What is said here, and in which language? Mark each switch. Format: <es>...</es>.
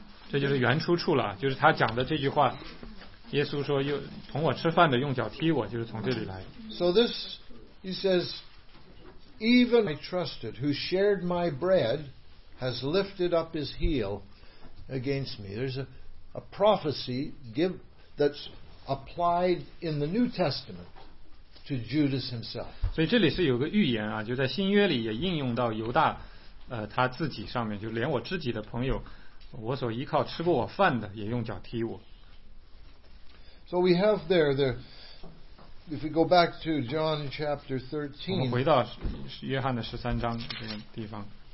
<zh>这就是原出处了，就是他讲的这句话，耶稣说又同我吃饭的用脚踢我，就是从这里来。</zh> <en>So this he says, even I trusted who shared my bread has lifted up his heel against me. There's a prophecy give that's applied in the New Testament to Judas himself.</en> <zh>所以这里是有个预言啊，就在新约里也应用到犹大他自己上面，就连我知己的朋友，我所依靠吃过我饭的也用脚踢我。</zh> <en>So we have there the, if we go back to John chapter 13,</en> <zh>我们回到约翰的十三章这个地方。</zh>